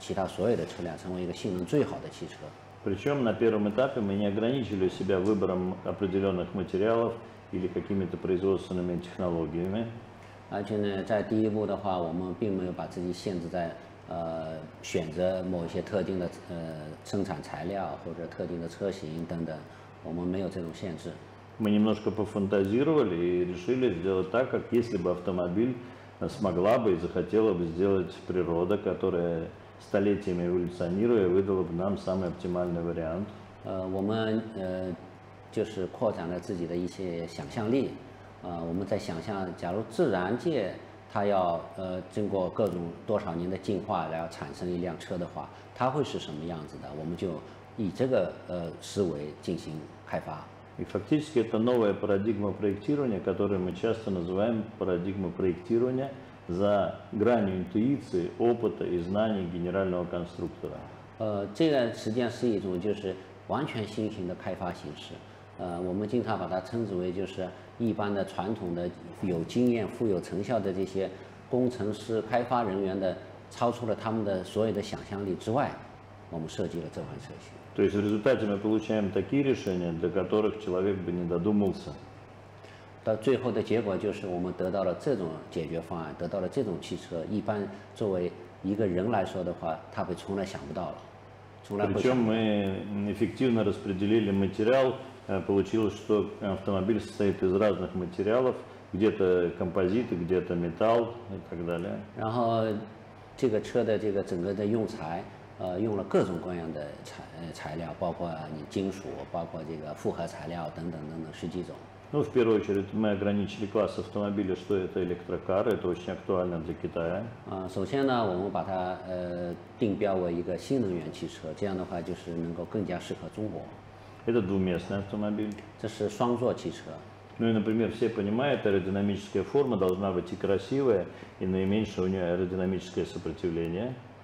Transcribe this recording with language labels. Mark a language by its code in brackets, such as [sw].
[zh] 我们在这呢，想就是根据用我们这个跟这个欧洲这个大型汽车企业、美国大型著名汽车企业合作的经验，在中国呢，我们设计车辆，让这些车辆的这个性能啊，要超过其他所有的车辆，成为一个性能最好的汽车。 [ru] Причем на первом этапе мы не ограничили себя выбором определенных материалов или какими-то производственными технологиями. [zh] 而且呢，在第一步的话，我们并没有把自己限制在选择某些特定的生产材料或者特定的车型等等，我们没有这种限制。 [ru] Мы немножко пофантазировали и решили сделать так, как если бы автомобиль смогла бы и захотела бы сделать природа, которая столетиями эволюционируя, выдала бы нам самый оптимальный вариант. [zh] 我们就是扩展了自己的一些想象力。我们在想象，假如自然界它要经过各种多少年的进化，然后产生一辆车的话，它会是什么样子的？我们就以这个思维进行开发。 [ru] И фактически это новая парадигма проектирования, которую мы часто называем парадигма проектирования за гранью интуиции, опыта и знаний генерального конструктора. [zh] 这个实际上是一种就是完全新型的开发形式。我们经常把它称之为就是一般的传统的有经验、富有成效的这些工程师、开发人员的超出了他们的所有的想象力之外，我们设计了这款车型。 [ru] То есть в результате мы получаем такие решения, до которых человек бы не додумался. [zh] 到最后的结果就是我们得到了这种解决方案，得到了这种汽车。一般作为一个人来说的话，他会从来想不到了，从来不想。 [ru] Причем мы эффективно распределили материал, получилось, что автомобиль состоит из разных материалов, где-то композиты, где-то металл и так далее. [zh] 然后这个车的这个整个的用材。用了各种各样的 材料，包括你金属，包括这个复合材料等等等等十几种。 [ru] Ну, в первую очередь, мы ограничили класс автомобиля, что это электрокар, это очень актуально для Китая. [zh] 首先呢，我们把它定标为一个新能源汽车，这样的话就是能够更加适合中国。 [ru] Это двуместный автомобиль. [zh] 这是双座汽车。 [ru] Ну и, например, все понимают, аэродинамическая форма должна быть и красивая, и наименьшее у нее аэродинамическое сопротивление.